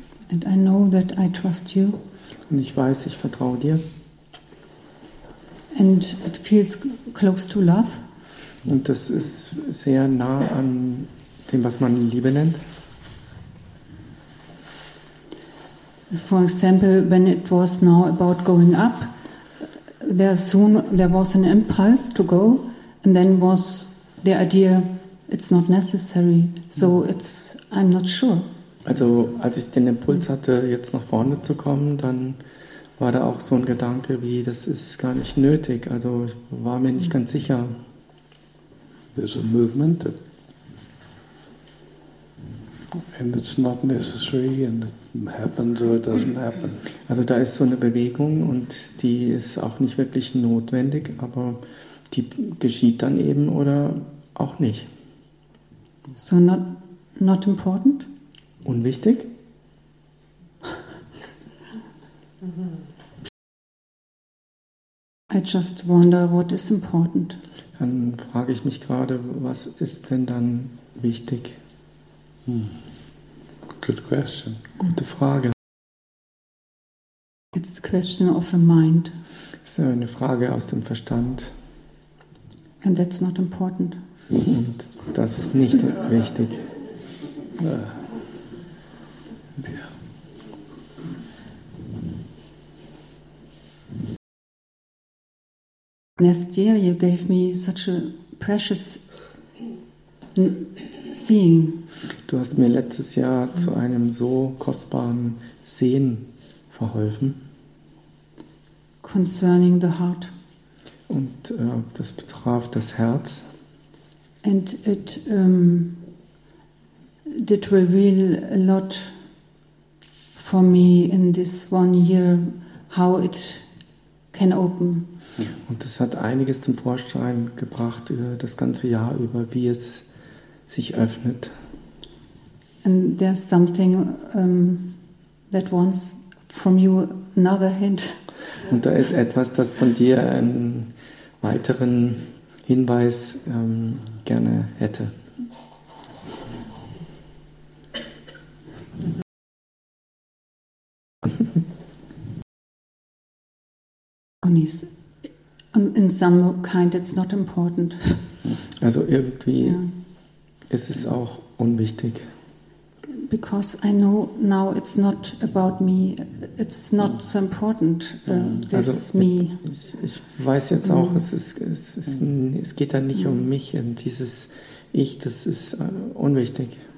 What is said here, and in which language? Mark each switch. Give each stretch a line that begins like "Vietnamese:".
English: And I know that I trust you.
German: Und ich weiß, ich vertraue dir.
English: And it feels close to love.
German: Und das ist sehr nah an dem, was man Liebe nennt.
English: For example, when it was now about going up, there was an impulse to go, and then was the idea, it's not necessary, so it's, I'm not sure.
German: Also als ich den Impuls hatte, jetzt nach vorne zu kommen, dann war da auch so ein Gedanke wie, das ist gar nicht nötig. Also ich war mir nicht ganz sicher.
English: There's a movement that, and it's not necessary and it happens or it doesn't happen.
German: Also da ist so eine Bewegung und die ist auch nicht wirklich notwendig, aber die geschieht dann eben oder auch nicht.
English: So not important?
German: Unwichtig?
English: I just wonder what is important.
German: Dann frage ich mich gerade, was ist denn dann wichtig?
English: Good question.
German: Gute Frage.
English: It's a question of the mind.
German: Das ist eine Frage aus dem Verstand.
English: And that's not important.
German: Und das ist nicht wichtig.
English: Last year you gave me such a precious seeing.
German: Du hast mir letztes Jahr zu einem so kostbaren Sehen verholfen.
English: Concerning the heart.
German: Und das betraf das Herz.
English: And it did reveal a lot for me in this one year how it can open.
German: Und das hat einiges zum Vorschein gebracht, das ganze Jahr über, wie es sich öffnet.
English: And there's something that wants from you another hint.
German: Und da ist etwas, das von dir einen weiteren Hinweis gerne hätte.
English: In some kind it's not important.
German: Also irgendwie ist es auch unwichtig.
English: Because I know now it's not about me, it's not so important, this also me.
German: Ich weiß jetzt auch, es geht da nicht um mich und dieses Ich, das ist unwichtig.